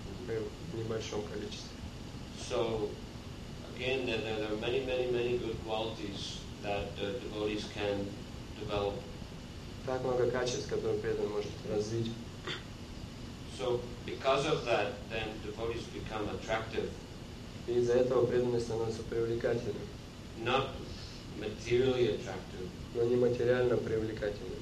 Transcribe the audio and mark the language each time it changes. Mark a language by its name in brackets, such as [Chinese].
[Russian] В небольшом количестве. [English] So, again, there are many, many, many good qualities that devotees can develop. [Russian] Так много качеств, которые преданный может развить. [English] So, because of that, then devotees become attractive. [Russian] И из-за этого преданность становится привлекательной. [English] Not materially attractive. [Russian] Но не материально привлекательной.